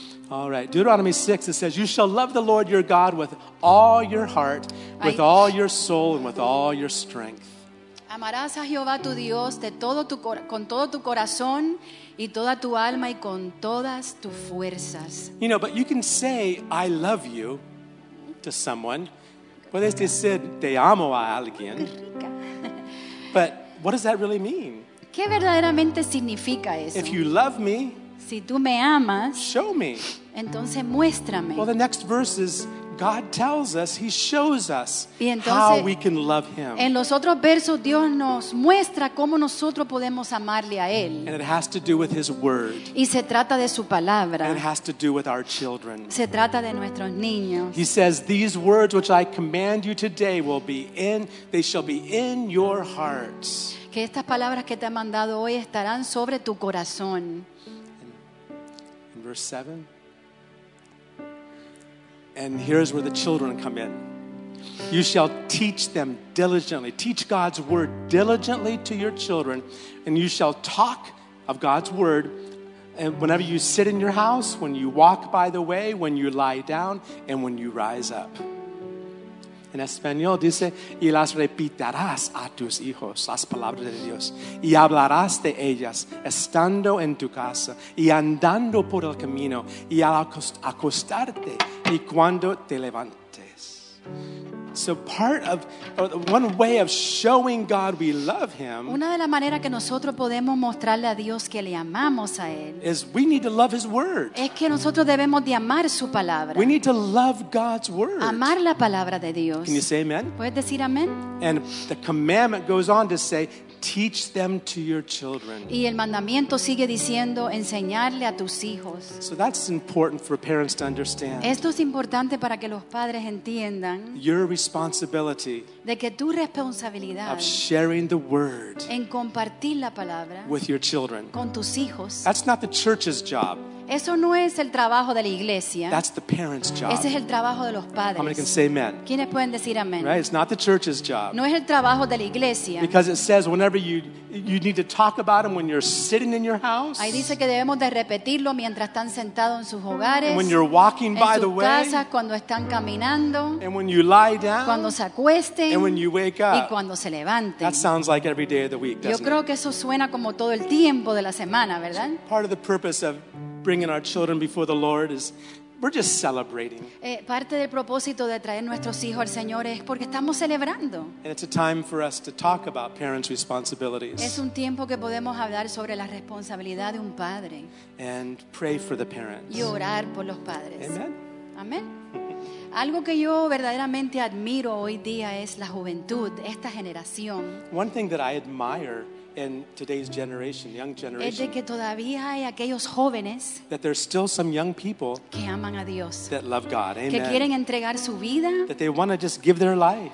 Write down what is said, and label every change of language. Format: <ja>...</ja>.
<en>All right, Deuteronomy 6, it says, you shall love the Lord your God with all your heart, with all your soul, and with all your strength.</en> <es>Amarás a Jehová tu Dios de todo tu con todo tu corazón y toda tu alma y con todas tus fuerzas.</es> <en>You know, but you can say I love you to someone.</en> <es>Puedes decir te amo a alguien.</es> <en>But what does that really mean?</en> <es>¿Qué verdaderamente significa eso?</es> <en>If you love me,</en> <es>si tú me amas,</es> <en>show me.</en> <es>Entonces muéstrame.</es> <en>Well, the next verse is God tells us, he shows us</en> <es>entonces,</es> <en>how we can love him.</en> <es>En los otros versos Dios nos muestra cómo nosotros podemos amarle a él.</es> <en>And it has to do with his word.</en> <es>Y se trata de su palabra.</es> <en>And it has to do with our children.</en> <es>Se trata de nuestros niños.</es> <en>He says, these words which I command you today will be in, they shall be in your hearts.</en> <es>Que estas palabras que te he mandado hoy estarán sobre tu corazón.</es> <en>In verse 7. And here's where the children come in. You shall teach them diligently. Teach God's word diligently to your children. And you shall talk of God's word and whenever you sit in your house, when you walk by the way, when you lie down, and when you rise up.</en> <es>En español dice, y las repitarás a tus hijos, las palabras de Dios, y hablarás de ellas, estando en tu casa, y andando por el camino, y al acostarte, y cuando te levantes.</es> <en>So part of, one way of showing God we love him,</en> <es>una de las maneras que nosotros podemos mostrarle a Dios que le amamos a él,</es> <en>is we need to love his word.</en> <es>Es que nosotros debemos de amar su palabra.</es> <en>We need to love God's word.</en> <es>Amar la palabra de Dios.</es> <en>Can you say amen?</en> <es>¿Puedes decir amén?</es> <en>And the commandment goes on to say, teach them to your children.</en> <es>Y el mandamiento sigue diciendo enseñarle a tus hijos.</es> <en>So that's important for parents to understand.</en> <es>Esto es importante para que los padres entiendan.</es> <en>Your responsibility.</en> <es>De que tu responsabilidad.</es> <en>Of sharing the word.</en> <es>En compartir la palabra.</es> <en>With your children.</en> <es>Con tus hijos.</es> <en>That's not the church's job.</en> <es>Eso no es el trabajo de la iglesia.</es> <en>That's the parents' job.</en> <es>Ese es el trabajo de los padres.</es> <en>How many can say amen?</en> <es>¿Quiénes pueden decir amén?</es> <en>Right? It's not the church's job.</en> <es>No es el trabajo de la iglesia.</es> <en>Because it says whenever you need to talk about them when you're sitting in your house.</en> <es>Ahí dice que debemos de repetirlo mientras están sentados en sus hogares.</es> <en>And when you're walking by the way.</en> <es>En sus casas cuando están caminando.</es> <en>And when you lie down.</en> <es>Cuando se acuesten.</es> <en>And when you wake up.</en> <es>Y cuando se levanten.</es> <en>That sounds like every day of the week, doesn't</en> <es>it? Yo creo que eso suena como todo el tiempo de la semana, ¿verdad?</es> <en>So part of the purpose of bringing our children before the Lord is we're just celebrating.</en> <es>Parte del propósito de traer nuestros hijos al Señor es porque estamos celebrando.</es> <en>And it's a time for us to talk about parents' responsibilities.</en> <es>Es un tiempo que podemos hablar sobre la responsabilidad de un padre.</es> <en>And pray for the parents.</en> <es>Y orar por los padres.</es> <en>Amen.</en> <es>Amén. Algo que yo verdaderamente admiro hoy día es la juventud, esta generación.</es> <en>One thing that I admire in today's generation, young generation,</en> <es>es de que todavía hay aquellos jóvenes,</es> <en>that there's still some young people</en> <es>que aman a Dios,</es> <en>that love God, amen,</en> <es>que quieren entregar su vida,</es> <en>that they want to just give their life</en>